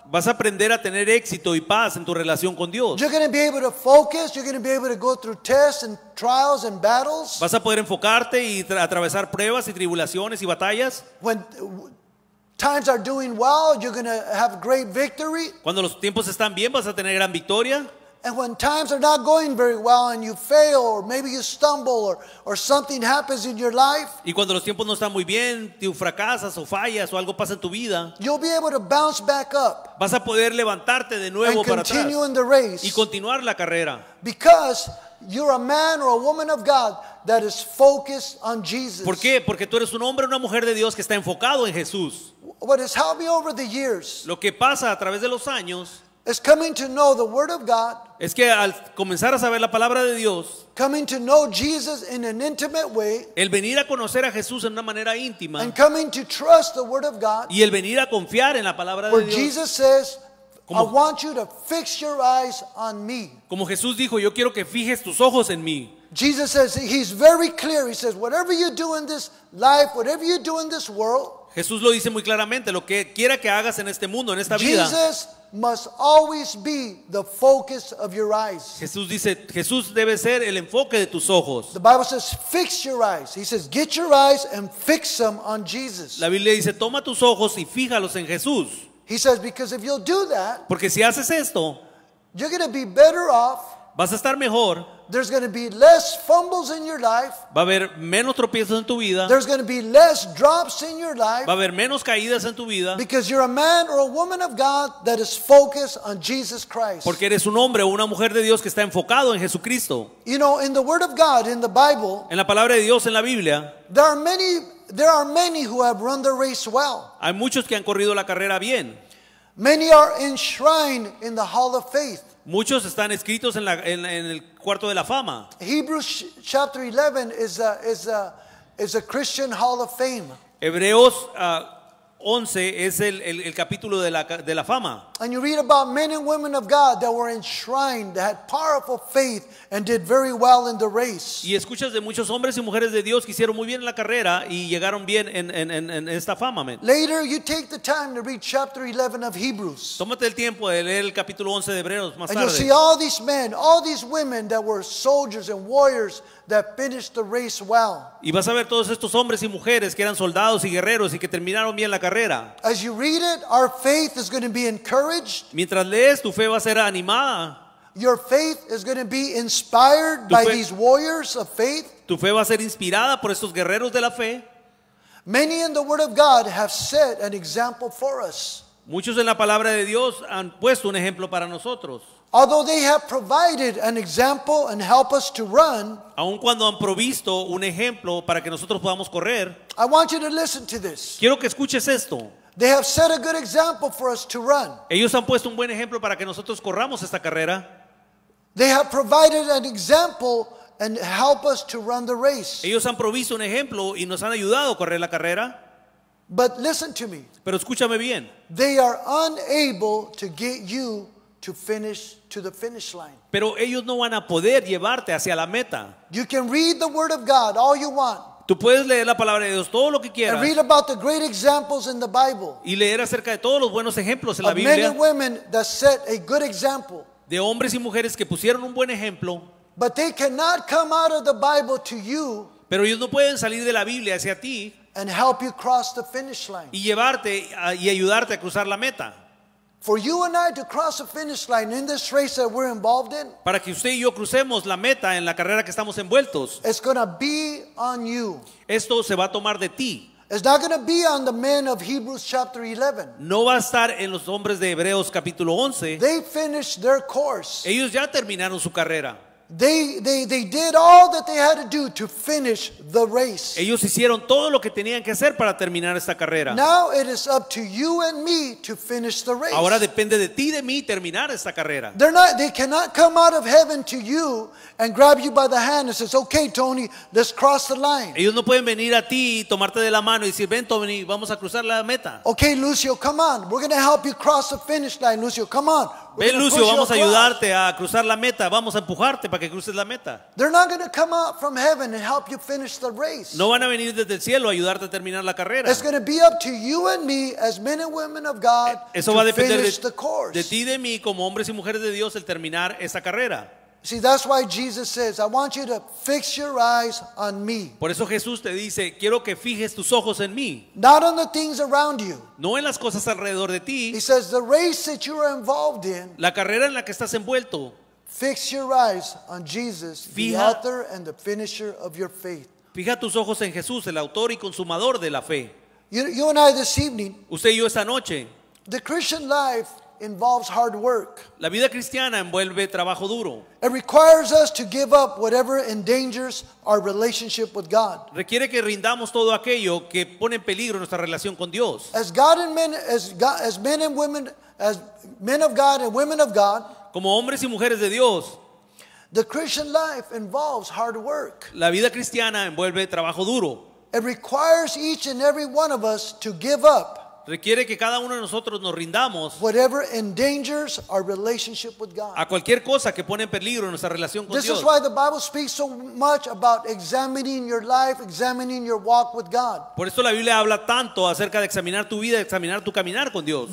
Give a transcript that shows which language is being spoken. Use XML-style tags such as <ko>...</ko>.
<es>Vas a aprender a tener éxito y paz en tu relación con Dios.</es> <en>You're going to be able to focus. You're going to be able to go through tests and trials and battles.</en> <es>Vas a poder enfocarte y atravesar pruebas y tribulaciones y batallas.</es> <en>When times are doing well, you're going to have great victory.</en> <es>Cuando los tiempos están bien, vas a tener gran victoria.</es> <en>And when times are not going very well and you fail or maybe you stumble or something happens in your life,</en> <es>y cuando los tiempos no están muy bien, tú fracasas o fallas o algo pasa en tu vida,</es> <en>you'll be able to bounce back up.</en> <es>Vas a poder levantarte de nuevo para atrás.</es> <en>And continue in the race.</en> <es>Y continuar la carrera.</es> <en>Because you're a man or a woman of God that is focused on Jesus.</en> <es>¿Por qué? Porque tú eres un hombre o una mujer de Dios que está enfocado en Jesús.</es> <en>What has helped me over the years?</en> <es>Lo que pasa a través de los años.</es> <en>It's coming to know the Word of God.</en> <es>Es que al comenzar a saber la palabra de Dios.</es> <en>Coming to know Jesus in an intimate way.</en> <es>El venir a conocer a Jesús en una manera íntima.</es> <en>And coming to trust the Word of God.</en> <es>Y el venir a confiar en la palabra de Dios.</es> <en>Where Jesus says, como, I want you to fix your eyes on me.</en> <es>Como Jesús dijo, yo quiero que fijes tus ojos en mí.</es> <en>Jesus says, he's very clear. He says, whatever you do in this life, whatever you do in this world.</en> <es>Jesús lo dice muy claramente, lo que quiera que hagas en este mundo, en esta vida.</es> <en>Jesus must always be the focus of your eyes.</en> <es>Jesús dice, Jesús debe ser el enfoque de tus ojos.</es> <en>The Bible says, fix your eyes. He says, get your eyes and fix them on Jesus.</en> <es>La Biblia dice, toma tus ojos y fíjalos en Jesús.</es> <en>He says, because if you'll do that,</en> <es>porque si haces esto,</es> <en>you're going to be better off.</en> <es>Vas a estar mejor.</es> <en>There's going to be less fumbles in your life.</en> <es>Va a haber menos tropiezos en tu vida.</es> <en>There's going to be less drops in your life.</en> <es>Va a haber menos caídas en tu vida.</es> <en>Because you're a man or a woman of God that is focused on Jesus Christ.</en> <es>Porque eres un hombre o una mujer de Dios que está enfocado en Jesucristo.</es> <en>You know, in the Word of God, in the Bible,</en> <es>en la palabra de Dios, en la Biblia,</es> <en>there are many who have run the race well.</en> <es>Hay muchos que han corrido la carrera bien.</es> <en>Many are enshrined in the Hall of Faith.</en> <es>Muchos están escritos en, la, en el cuarto de la fama.</es> <en>Hebrews chapter 11 is a Christian Hall of Fame.</en> <es>Hebreos 11 es el capítulo de la fama.</es> <en>And you read about men and women of God that were enshrined, that had powerful faith and did very well in the race.</en> <es>Y escuchas de muchos hombres y mujeres de Dios que hicieron muy bien en la carrera y llegaron bien en esta fama, man.</es> <en>Later you take the time to read chapter 11 of Hebrews.</en> <es>Tómate el tiempo de leer el capítulo 11 de Hebreos más tarde.</es> <en>And you'll see all these men, all these women that were soldiers and warriors that finished the race well.</en> <es>Y vas a ver todos estos hombres y mujeres que eran soldados y guerreros y que terminaron bien la carrera.</es> <en>As you read it, our faith is going to be encouraged.</en> <es>Mientras lees, tu fe va a ser animada.</es> <en>Your faith is going to be inspired by these warriors of faith.</en> <es>Tu fe va a ser inspirada por estos guerreros de la fe.</es> <en>Many in the Word of God have set an example for us.</en> <es>Muchos en la palabra de Dios han puesto un ejemplo para nosotros.</es> <en>Although they have provided an example and help us to run,</en> <es>aun cuando han provisto un ejemplo para que nosotros podamos correr,</es> <en>I want you to listen to this.</en> <es>Quiero que escuches esto.</es> <en>They have set a good example for us to run.</en> <es>Ellos han puesto un buen ejemplo para que nosotros corramos esta carrera.</es> <en>They have provided an example and help us to run the race.</en> <es>Ellos han provisto un ejemplo y nos han ayudado a correr la carrera.</es> <en>But listen to me.</en> <es>Pero escúchame bien.</es> <en>They are unable to get you to finish to the finish line.</en> <es>Pero ellos no van a poder llevarte hacia la meta.</es> <en>You can read the Word of God all you want.</en> <es>Tú puedes leer la palabra de Dios todo lo que quieras.</es> <en>And read about the great examples in the Bible.</en> <es>Y leer acerca de todos los buenos ejemplos en la Biblia.</es> <en>Of men and women that set a good example.</en> <es>De hombres y mujeres que pusieron un buen ejemplo.</es> <en>But they cannot come out of the Bible to you.</en> <es>Pero ellos no pueden salir de la Biblia hacia ti.</es> <en>And help you cross the finish line.</en> <es>Y llevarte y ayudarte a cruzar la meta.</es> <en>For you and I to cross the finish line in this race that we're involved in.</en> <es>Para que usted y yo crucemos la meta en la carrera que estamos envueltos.</es> <en>It's going to be on you.</en> <es>Esto se va a tomar de ti.</es> <en>It's not going to be on the men of Hebrews chapter 11.</en> <es>No va a estar en los hombres de Hebreos capítulo 11.</es> <en>They finished their course.</en> <es>Ellos ya terminaron su carrera.</es> <en>They did all that they had to do to finish the race.</en> <es>Ellos hicieron todo lo que tenían que hacer para terminar esta carrera.</es> <en>Now it is up to you and me to finish the race.</en> <es>Ahora depende de ti y de mí terminar esta carrera.</es> <en>They cannot come out of heaven to you and grab you by the hand and says, "Okay, Tony, let's cross the line."</en> <es>Ellos no pueden venir a ti y tomarte de la mano y decir, "Ven, Tony, vamos a cruzar la meta."</es> <en>Okay, Lucio, come on. We're going to help you cross the finish line, Lucio. Come on.</en> <es>Ven, Lucio, vamos a ayudarte a cruzar la meta. Vamos a empujarte para que cruces la meta.</es> <en>They're not going to come out from heaven and help you finish the race.</en> <es>No van a venir desde el cielo a ayudarte a terminar la carrera.</es> <en>It's going to be up to you and me as men and women of God to finish the course.</en> <es>De ti y de mí como hombres y mujeres de Dios el terminar esa carrera.</es> <en>See, that's why Jesus says, "I want you to fix your eyes on me."</en> <es>Por eso Jesús te dice, quiero que fijes tus ojos en mí.</es> <en>Not on the things around you.</en> <es>No en las cosas alrededor de ti.</es> <en>He says, "The race that you are involved in."</en> <es>La carrera en la que estás envuelto.</es> <en>Fix your eyes on Jesus, the author and the finisher of your faith.</en> <es>Fija tus ojos en Jesús, el autor y consumador de la fe.</es> <en>You and I this evening.</en> <es>Usted y yo esta noche.</es> <en>The Christian life involves hard work.</en> <es>La vida cristiana envuelve trabajo duro.</es> <en>It requires us to give up whatever endangers our relationship with God.</en> <es>Requiere que rindamos todo aquello que pone en peligro nuestra relación con Dios.</es> <en>As God and men, as men and women, as men of God and women of God.</en> <es>Como hombres y mujeres de Dios.</es> <en>The Christian life involves hard work.</en> <es>La vida cristiana envuelve trabajo duro.</es> <en>It requires each and every one of us to give up.</en> <es>Requiere que cada uno de nosotros nos rindamos</es> <en>whatever endangers our relationship with God.</en> <es>A cualquier cosa que pone en peligro nuestra relación con</es> <en>this</en> <es>Dios.</es> <en>This is why the Bible speaks so much about examining your life, examining your walk with God.</en> <es>Por esto la Biblia habla tanto acerca de examinar tu vida, examinar tu caminar con Dios.</es>